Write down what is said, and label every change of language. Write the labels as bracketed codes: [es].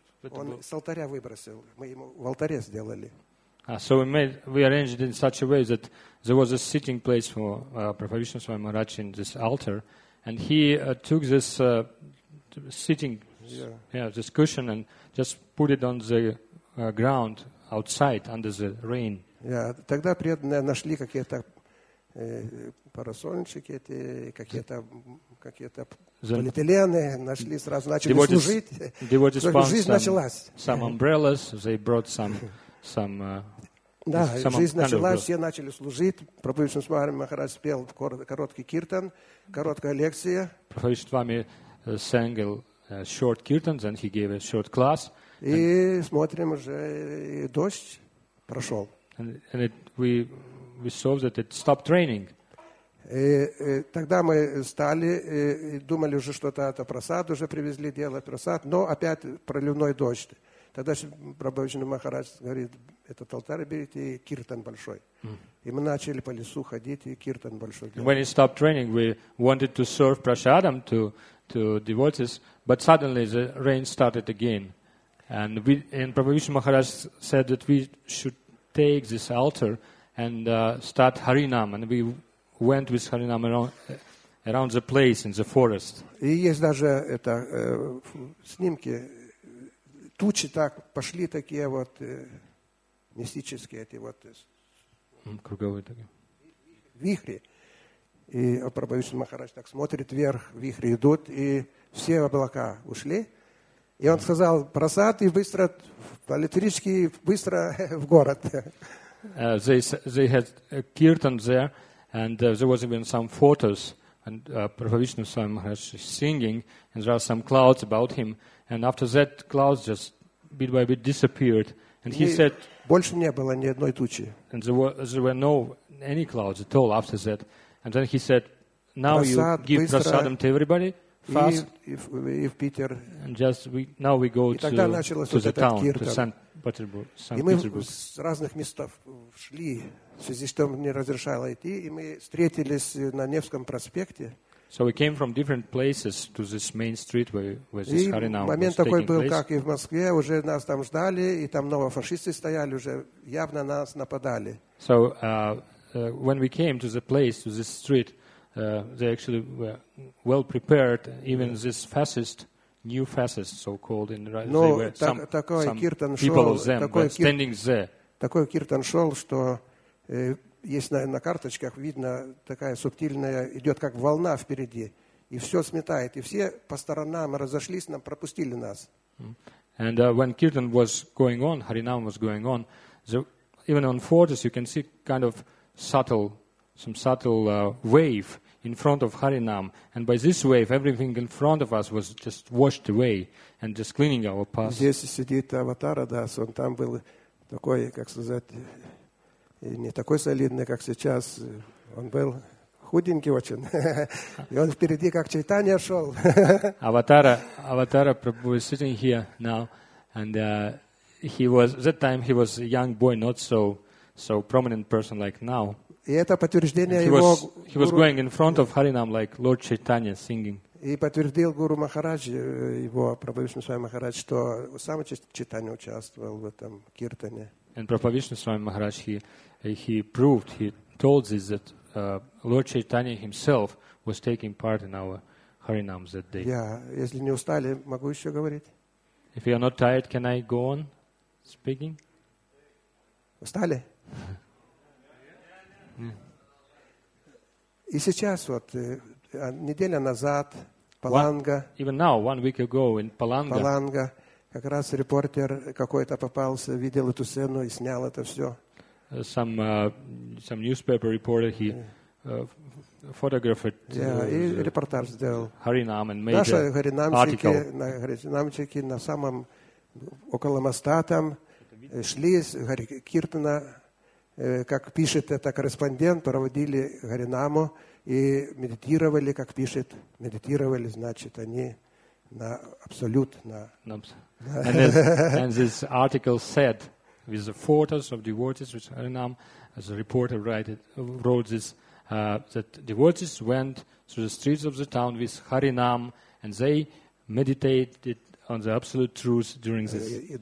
[ru] Он с алтаря выбросил, мы ему в алтаре сделали. [en] So we arranged it in such a way that there was a sitting place for Prabhupada Vishnuswami Maharaj in this altar, and he took this sitting, this cushion, and just put it on the ground outside under the rain. [ru] Тогда преданные нашли какие-то парасольчики эти, какие-то полиэтилены, нашли сразу, начали служить. [en] Devotees found some umbrellas, they brought some [ru] Да, жизнь началась, все начали служить. Прабхупада Вишнусвами Махарадж спел короткий киртан, короткая лекция. [en] Прабхупада Вишнусвами sang a short kirtan, then he gave a short class. [ru] И смотрим уже, дождь прошел. [en] And we saw that it stopped raining. [ru] И тогда мы стали, думали уже, что-то это просад, уже привезли делать просад, но опять проливной дождь. Тогда Прабхупада Махарадж говорит, этот алтарь берите и киртан большой. И мы начали по лесу ходить и киртан большой. [en] When it stopped raining, we wanted to serve prasadam to devotees, but suddenly the rain started again. And Prabhupada Махарадж said that we should take this altar and start Харинам. And we went with Харинам around the place in the forest. [ru] И есть даже это снимки. Тучи так пошли такие вот мистические эти вот круговые такие вихри, и Прабхупада Махарадж так смотрит вверх, вихри идут, и все облака ушли, и он сказал просад, и быстро политически быстро в город. [en] They had a kirtan there, and there was even some photos, and Prabhupada Махарадж singing, and there are some clouds about him, and after that clouds just bit by bit disappeared, and he said, [ru] больше не было ни одной тучи. [en] And there were no any clouds at all after that. And then he said, now you give prasadam to everybody fast. If Peter, and just we now we go to the town, to Saint Petersburg. [ru] И мы с разных мест шли, в связи с тем, не разрешало идти, и мы встретились на Невском проспекте. [en] So we came from different places to this main street where this Харинам was taking [ru] такой был, [en] place. [ru] Как и в Москве, уже нас там ждали, и там новофашисты стояли, уже явно нас нападали. [en] So when we came to the place, to this street, they actually were well prepared, even this fascist, new fascist, so-called, in right, no, they were some киртан people [ru] шел, [en] of them, [ru] такой [en] standing there. [ru] Такой киртан шел, что... Есть на карточках, видно, такая субтильная, идет как волна впереди, и все сметает, и все по сторонам разошлись, нам пропустили нас. [en] And when Kirtan was going on, Харинам was going on, even on photos you can see kind of subtle wave in front of Харинам, and by this wave everything in front of us was just washed away and just cleaning our path. [ru] Здесь сидит Аватара Дас, он там был такой, как сказать... И не такой солидный, как сейчас. Он был худенький очень. И он впереди, как Чайтанья, шел. [en] Аватара Прабху was sitting here now. And he was, that time he was a young boy, not so prominent person like now. [ru] И это подтверждение [en] he [ru] его... [en] He was going in front of Харинам, like Lord Chaitanya singing. [ru] И подтвердил Гуру Махарадж, его Прабху Вишнусвами Махарадж, что сам Чайтанья участвовал в этом киртане. [en] And Prabhupada Vishnuswami Maharaj, he told this, that Lord Chaitanya himself was taking part in our Harinam that day. [ru] Yeah, если не устали, могу еще говорить? [en] If you are not tired, can I go on speaking? [ru] Устали? И сейчас, вот, неделя назад, Паланга. [en] Even now, 1 week ago in Паланга. [ru] Паланга. Как раз репортер какой-то попался, видел эту сцену и снял это все. [en] Some newspaper reporter, he photographed. [ru] Yeah, и репортаж сделал. [en] Харинам and made an article. [ru] На Харинамчике, на самом, около моста там, шли с Харикиртана, как пишет это корреспондент, проводили Харинаму и медитировали, как пишет, медитировали, значит, они на абсолют, на... [en] And this article said, with the photos of devotees, which Harinam, as a reporter, wrote this, that devotees went through the streets of the town with Harinam, and they meditated on the absolute truth during this.